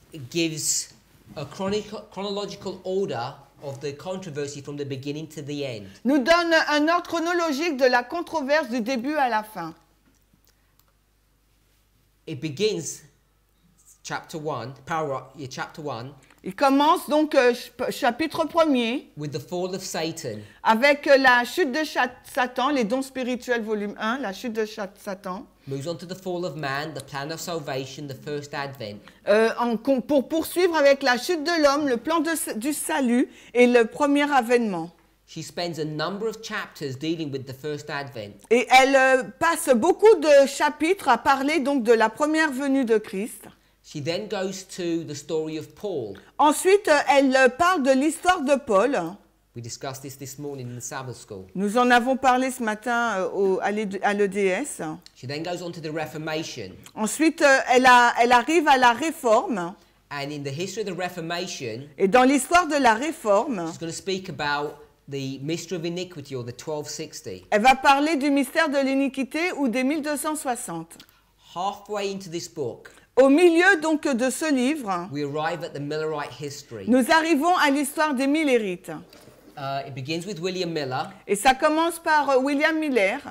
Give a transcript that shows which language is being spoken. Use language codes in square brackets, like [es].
[en] gives a chronological order of the controversy from the beginning to the end. [fr] Nous donne un ordre chronologique de la controverse du début à la fin. [en] It begins chapter 1, chapter 1. [fr] Il commence donc chapitre 1er [en] with the fall of Satan. [fr] Avec la chute de Satan, les dons spirituels volume 1, la chute de Satan. [en] Moves on to the fall of man, the plan of salvation, the first advent. [fr] Pour poursuivre avec la chute de l'homme, le plan du salut et le premier avènement. [en] She spends a number of chapters dealing with the first advent. [fr] Et elle passe beaucoup de chapitres à parler donc de la première venue de Christ. [en] She then goes to the story of Paul. [fr] Ensuite, elle parle de l'histoire de Paul. [en] We discussed this morning in the Sabbath school. [fr] Nous en avons parlé ce matin à l'EDS. [en] She then goes on to the Reformation. [fr] Ensuite, elle arrive à la Réforme. [en] And in the history of the Reformation, [fr] et dans l'histoire de la Réforme, [en] she's going to speak about the mystery of iniquity or the 1260. [fr] Elle va parler du mystère de l'iniquité ou des 1260. [en] Halfway into this book, [fr] au milieu donc de ce livre, [en] we arrive at the Millerite history. [fr] Nous arrivons à l'histoire des Millerites. [en] It begins with William Miller. [fr] Et ça commence par William Miller.